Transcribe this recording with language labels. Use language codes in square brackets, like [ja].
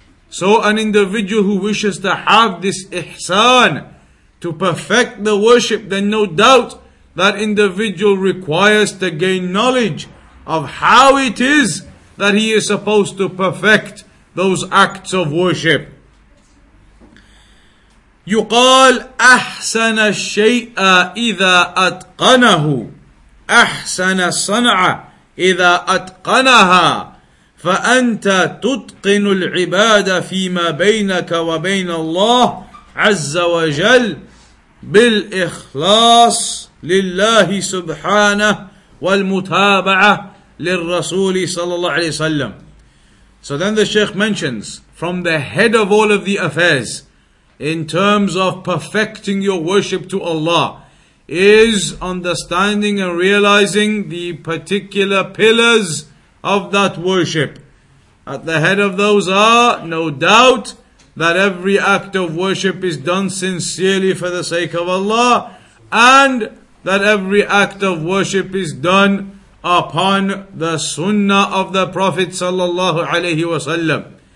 [en] So an individual who wishes to have this ihsan, to perfect the worship, then no doubt that individual requires to gain knowledge of how it is that he is supposed to perfect those acts of worship. [ar] يقال أحسن الشيء إذا أتقنه أحسن الصنعة إذا أتقنها فأنت تتقن العبادة فيما بينك وبين الله عز وجل بالإخلاص لله سبحانه والمتابعة للرسول صلى الله عليه وسلم. [en] So then the Sheikh mentions, from the head of all of the affairs, in terms of perfecting your worship to Allah, is understanding and realizing the particular pillars of that worship. At the head of those are, no doubt, that every act of worship is done sincerely for the sake of Allah, and that every act of worship is done upon the sunnah of the Prophet sallallahu alayhi wasallam.